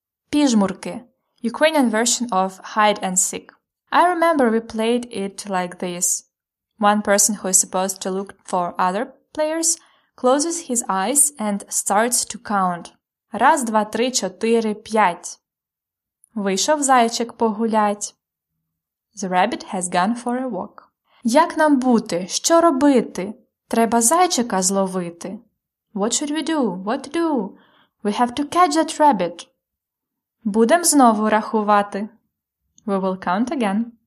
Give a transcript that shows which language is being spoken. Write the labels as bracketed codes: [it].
[uk] Піжмурки. [en] Ukrainian version of hide and seek. I remember we played it like this. One person who is supposed to look for other players closes his eyes and starts to count. [uk] Раз, два, три, чотири, п'ять. Вийшов зайчик погулять. [en] The rabbit has gone for a walk. [uk] Як нам бути? Що робити? Треба зайчика зловити. [en] What should we do? What to do? We have to catch that rabbit. [uk] Будем знову рахувати. [en] We will count again.